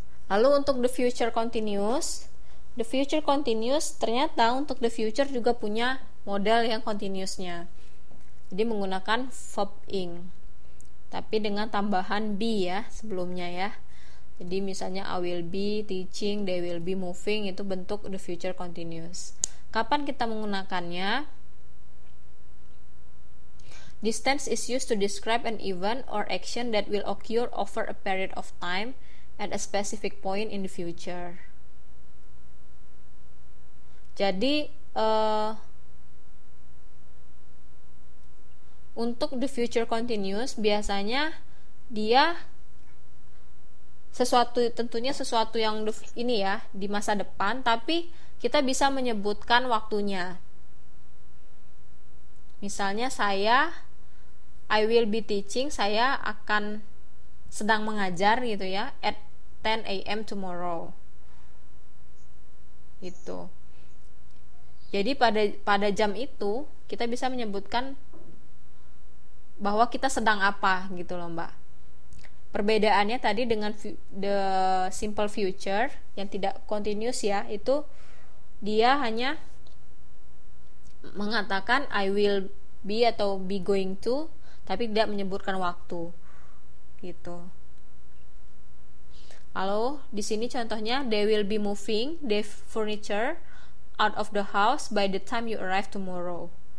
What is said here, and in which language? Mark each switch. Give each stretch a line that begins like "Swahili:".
Indonesian: Lalu untuk the future continuous ternyata untuk the future juga punya model yang continuousnya. Jadi menggunakan verb ing, tapi dengan tambahan be ya sebelumnya ya.
English: Jadi misalnya I will be teaching, they will be moving, itu bentuk the future continuous.
Indonesian: Kapan kita menggunakannya?
English: This tense is used to describe an event or action that will occur over a period of time at a specific point in the future.
Indonesian: Jadi untuk the future continuous biasanya dia sesuatu, tentunya sesuatu yang ini ya di masa depan, tapi kita bisa menyebutkan waktunya. Misalnya saya I will be teaching, saya akan sedang mengajar gitu ya at 10 a.m. tomorrow. Itu. Jadi pada jam itu kita bisa menyebutkan bahwa kita sedang apa gitu loh, Mbak. Perbedaannya tadi dengan the simple future yang tidak continuous ya, itu dia hanya mengatakan I will be atau be going to, tapi tidak menyebutkan waktu gitu.
English: Lalu di sini contohnya they will be moving the furniture out of the house by the time you arrive tomorrow.